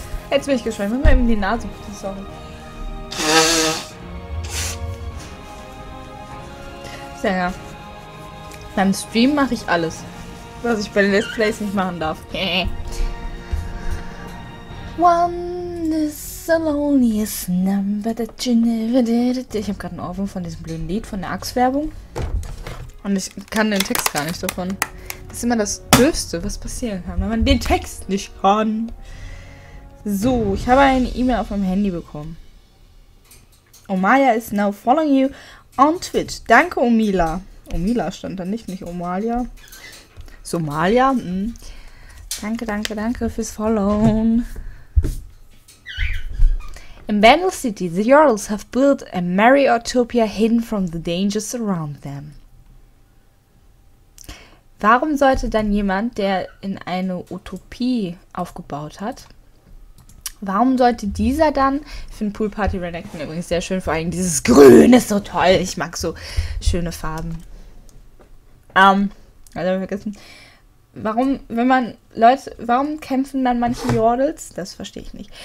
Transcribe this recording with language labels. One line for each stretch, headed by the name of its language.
German: Jetzt bin ich geschwollen. Mach mal eben die Nase. Sorry. Sehr ja. Beim Stream mache ich alles, was ich bei den Let's Plays nicht machen darf.
English: One is the loneliest number that you never did.
German: Ich habe gerade einen Ohrwurm von diesem blöden Lied, von der Axe-Werbung. Und ich kann den Text gar nicht davon. Das ist immer das Dümmste, was passieren kann, wenn man den Text nicht kann. So, ich habe eine E-Mail auf meinem Handy bekommen.
English: Omalia is now following you on Twitch.
German: Danke, Omila. Omila stand da nicht, nicht Omalia. Somalia? Mhm. Danke, danke, danke fürs Followen.
English: In Vandal City, the Jarls have built a Mariotopia hidden from the dangers around them.
German: Warum sollte dann jemand, der in eine Utopie aufgebaut hat, warum sollte dieser dann, ich finde Poolparty Renekton übrigens sehr schön, vor allem dieses Grün ist so toll, ich mag so schöne Farben. Also vergessen. Warum, wenn man, Leute, warum kämpfen dann manche Yordles? Das verstehe ich nicht.